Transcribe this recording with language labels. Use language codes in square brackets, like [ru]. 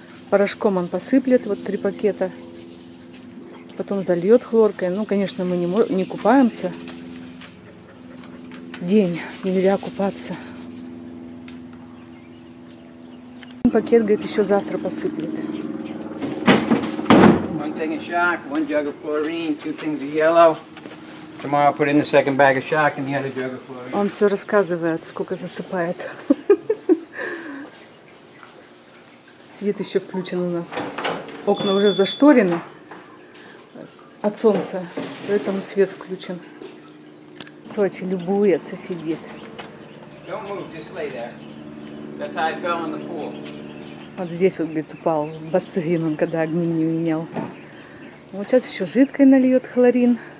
[ru] Порошком он посыплет вот 3 пакета, потом зальет хлоркой. Ну, конечно, мы не купаемся. День. Нельзя купаться. Пакет, говорит, еще завтра посыплет. [en] One thing of shock, one jug of chlorine, 2 things of yellow. Tomorrow put in the second bag of shock and the other jug of chlorine. [ru] Он все рассказывает, сколько засыпает. Свет еще включен у нас. Окна уже зашторены от солнца, поэтому свет включен. Сочи любуется, сидит. [en] Don't move, just lay there. That's how I fell in the pool. [ru] Вот здесь вот, говорит, упал в бассейн, он когда огни не менял. Вот сейчас еще жидкой нальет хлорин.